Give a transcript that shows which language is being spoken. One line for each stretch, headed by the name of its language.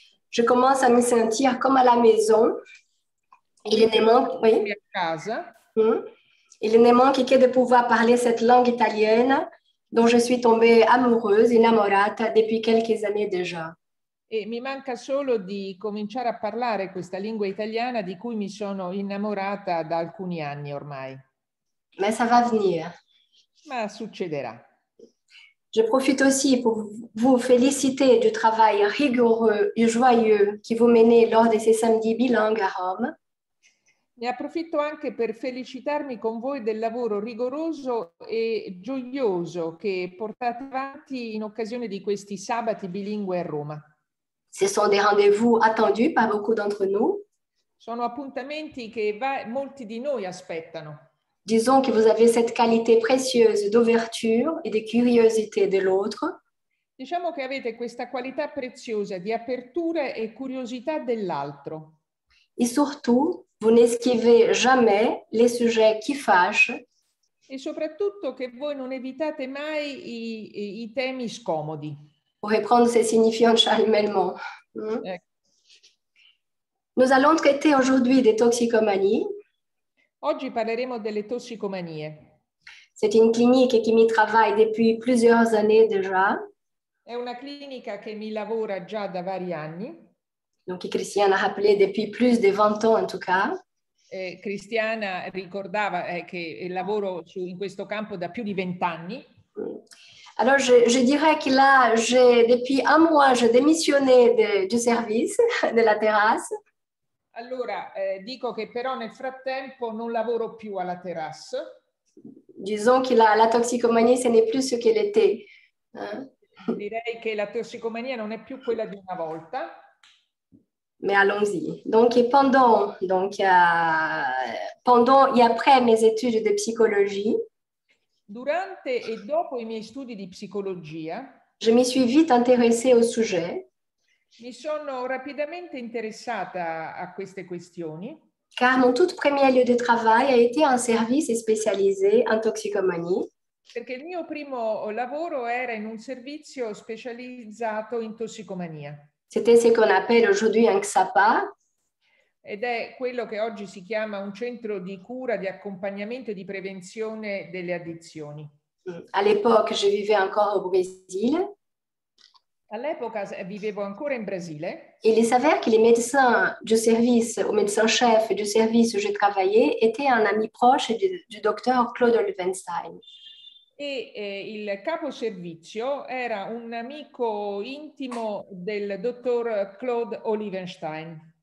French: Je commence à me sentir comme à la maison.
Italian: Mi
French: Il ne
Italian: sento
French: manque, oui.
Italian: come a casa.
French: Il ne manque che di pouvoir parler cette langue italienne. Dont je suis tombée amoureuse, innamorata, depuis quelques années déjà.
Italian: E mi manca solo di cominciare a parlare questa lingua italiana di cui mi sono innamorata da alcuni anni ormai.
French: Mais ça va venir.
Italian: Ma succederà.
French: Je profite aussi pour vous féliciter du travail rigoureux et joyeux qui vous menez lors de ces samedis bilingues à Rome.
Italian: Ne approfitto anche per felicitarmi con voi del lavoro rigoroso e gioioso che portate avanti in occasione di questi sabati bilingue a Roma.
French: Ce sont des rendez-vous attendus par beaucoup d'entre nous.
Italian: Sono appuntamenti che molti di noi aspettano.
French: Disons que vous avez cette qualité précieuse d'ouverture et de curiosité de l'autre.
Italian: Diciamo che avete questa qualità preziosa di apertura e curiosità dell'altro.
French: Et surtout, vous n'esquivez jamais les sujets qui fâchent.
Italian: E soprattutto che voi non evitate mai i temi scomodi.
French: Pour reprendre ces signifiants charmellement.
Italian: Ecco.
French: Nous allons traiter aujourd'hui des toxicomanies.
Italian: Oggi parleremo delle tossicomanie.
French: C'est une clinique qui mi travaille depuis plusieurs années déjà.
Italian: È una clinica che mi lavora già da vari anni.
French: Donc, Christian a rappelé depuis plus de 20 ans, en tout cas.
Italian: Cristiana ricordava che lavoro in questo campo da più di 20 anni.
French: Alors, je dirais que là, depuis un mois, j'ai démissionné du service, de la terrasse.
Italian: Allora, dico che però nel frattempo non lavoro più alla terrasse.
French: Disons que la toxicomanie, ce n'est plus ce qu'elle était.
Italian: Direi che la tossicomania non è più quella di una volta.
French: Mais allons-y. Donc, pendant et après mes études de psychologie,
Italian: Durante e dopo i miei studi di psicologia,
French: je m'y suis vite intéressée au sujet,
Italian: mi sono rapidamente interessata a queste questioni.
French: car mon tout premier lieu de travail a été un service spécialisé en toxicomanie.
Italian: Perché il mio primo lavoro era in un servizio specializzato in tossicomania.
French: C'était ce qu'on appelle aujourd'hui un XAPA.
Italian: Ed è quello che oggi si chiama un centro di cura, di accompagnamento e di prevenzione delle addizioni.
French: À l'époque, je vivais encore au Brésil.
Italian: All'epoca vivevo ancora in Brasile.
French: Et il s'avère que les médecins du service, au médecin-chef du service où je travaillais, étaient un ami proche du docteur Claude Levenstein.
Italian: E il capo servizio era un amico intimo del dottor Claude Olivenstein.